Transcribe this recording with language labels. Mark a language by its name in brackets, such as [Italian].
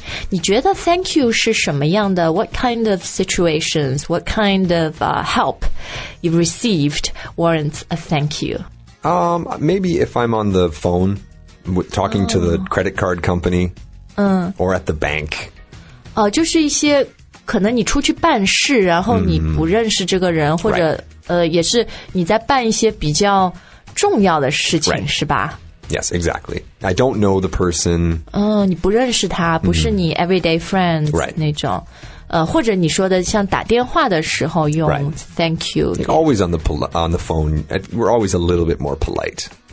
[Chinese] 你觉得 [English] thank you [Chinese] 是什么样的 [English] What kind of situations What kind of help You've received Warrants a thank you Maybe if I'm on the phone talking to the credit card company or at the bank. [Chinese] 就是一些可能你出去办事然后你不认识这个人、mm. 或者、 [English] right. [Chinese] 也是你在办一些比较重要的事情、 [English] right. [Chinese] 是吧 [English] Yes, exactly. I don't know the person. [Chinese] 你不认识他不是你 [English] everyday friend、 right. [Chinese] 那种。或者你说的像打电话的时候用、 [English] right. thank you. Always on the phone, we're always a little bit more polite.